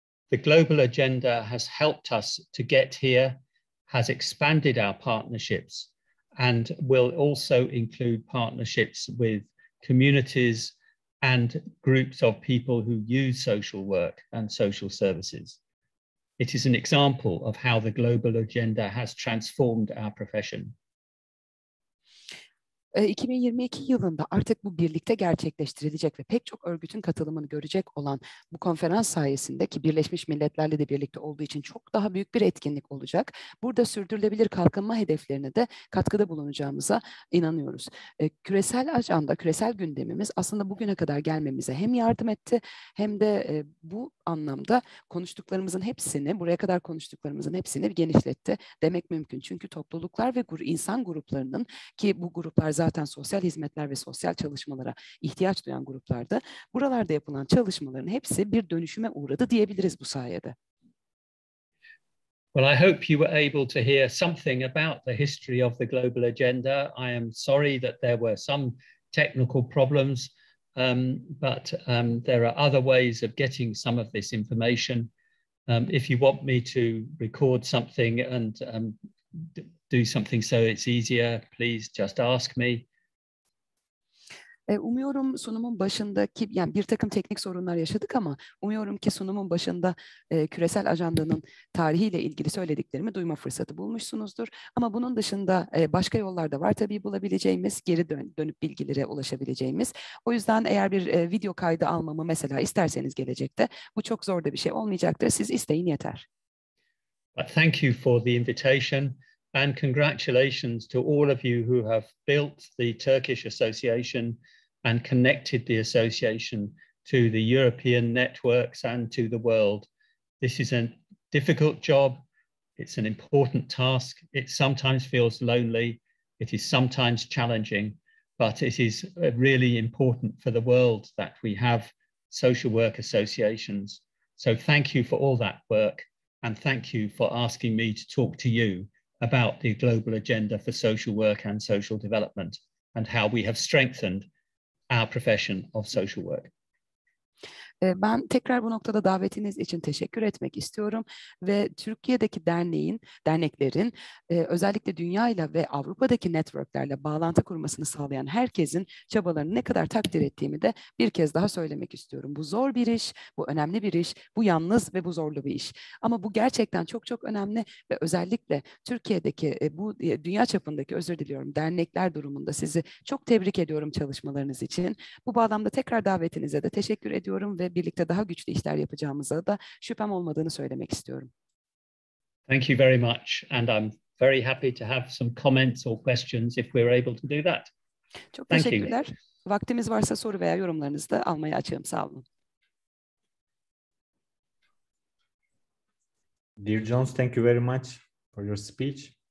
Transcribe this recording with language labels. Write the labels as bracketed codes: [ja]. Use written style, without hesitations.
[en] The global agenda has helped us to get here, has expanded our partnerships, and will also include partnerships with communities and groups of people who use social work and social services. It is an example of how the global agenda has transformed our profession. [tr] 2022 yılında artık bu birlikte gerçekleştirilecek ve pek çok örgütün katılımını görecek olan bu konferans sayesinde, ki Birleşmiş Milletler'le de birlikte olduğu için çok daha büyük bir etkinlik olacak. Burada sürdürülebilir kalkınma hedeflerine de katkıda bulunacağımıza inanıyoruz. Küresel ajanda, küresel gündemimiz aslında bugüne kadar gelmemize hem yardım etti, hem de bu anlamda konuştuklarımızın hepsini, buraya kadar konuştuklarımızın hepsini genişletti demek mümkün. Çünkü topluluklar ve insan gruplarının, ki bu gruplar zaten sosyal hizmetler ve sosyal çalışmalara ihtiyaç duyan gruplarda, buralarda yapılan çalışmaların hepsi bir dönüşüme uğradı diyebiliriz bu sayede. [en] Well, I hope you were able to hear something about the history of the global agenda. I am sorry that there were some technical problems, but there are other ways of getting some of this information. If you want me to record something and do something so it's easier, please just ask me. [tr] Umuyorum sunumun başındaki, yani bir takım teknik sorunlar yaşadık ama umuyorum ki sunumun başında küresel ajandanın tarihiyle ilgili söylediklerimi duyma fırsatı bulmuşsunuzdur. Ama bunun dışında başka yollar da var tabii bulabileceğimiz, geri dönüp bilgilere ulaşabileceğimiz. O yüzden eğer bir video kaydı almamı mesela isterseniz gelecekte, bu çok zor da bir şey olmayacaktır. Siz isteyin yeter. [en] But thank you for the invitation. And congratulations to all of you who have built the Turkish Association and connected the association to the European networks and to the world. This is a difficult job. It's an important task. It sometimes feels lonely. It is sometimes challenging, but it is really important for the world that we have social work associations. So thank you for all that work. And thank you for asking me to talk to you about the global agenda for social work and social development and how we have strengthened our profession of social work. [tr] Ben tekrar bu noktada davetiniz için teşekkür etmek istiyorum ve Türkiye'deki derneklerin özellikle dünyayla ve Avrupa'daki networklerle bağlantı kurmasını sağlayan herkesin çabalarını ne kadar takdir ettiğimi de bir kez daha söylemek istiyorum. Bu zor bir iş, bu önemli bir iş, bu yalnız ve bu zorlu bir iş. Ama bu gerçekten çok çok önemli ve özellikle Türkiye'deki bu dünya çapındaki, özür diliyorum, dernekler durumunda sizi çok tebrik ediyorum çalışmalarınız için. Bu bağlamda tekrar davetinize de teşekkür ediyorum ve birlikte daha güçlü işler yapacağımıza da şüphem olmadığını söylemek istiyorum. [en] Thank you very much, and I'm very happy to have some comments or questions if we're able to do that. [tr] Çok teşekkürler. Vaktimiz varsa soru veya yorumlarınızı da almaya açığım. Sağ olun. [en] Dear Jones, thank you very much for your speech.